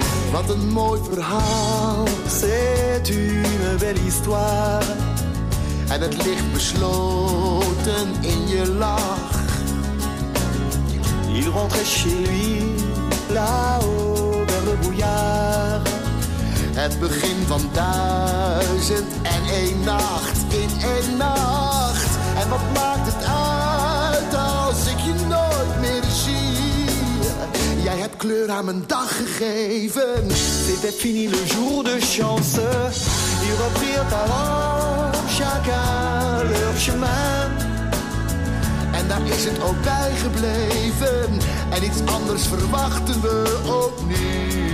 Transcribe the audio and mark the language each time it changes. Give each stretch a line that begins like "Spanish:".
Dutch: Wat een mooi verhaal,
French: c'est une belle histoire.
Dutch: En het ligt besloten in je lach.
French: Il rentrait chez lui, là-haut, vers le brouillard.
Dutch: Het begin van duizend en één nacht, in één nacht. En wat maakt het uit als ik je nooit meer zie? Jij hebt kleur aan mijn dag gegeven.
French: C'était fini le jour de chance. Ils reprirent alors chacun leur chemin.
Dutch: En daar is het ook bij gebleven. En iets anders verwachten we ook nu.